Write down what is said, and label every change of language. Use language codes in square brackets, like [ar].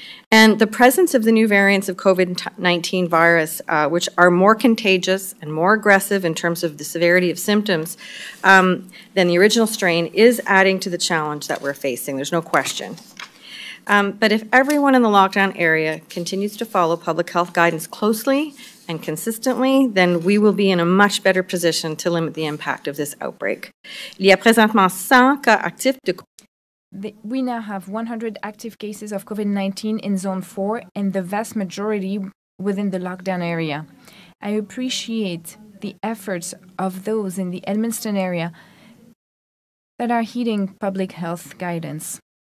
[en] And the presence of the new variants of COVID-19 virus, which are more contagious and more aggressive in terms of the severity of symptoms than the original strain, is adding to the challenge that we're facing. There's no question. But if everyone in the lockdown area continues to follow public health guidance closely and consistently, then we will be in a much better position to limit the impact of this outbreak. [fr] Il y a présentement 100 cas actifs de COVID. [en] We now have 100 active cases of COVID-19 in Zone 4, and the vast majority within the lockdown area. I appreciate the efforts of those in the Edmundston area that are heeding public health guidance.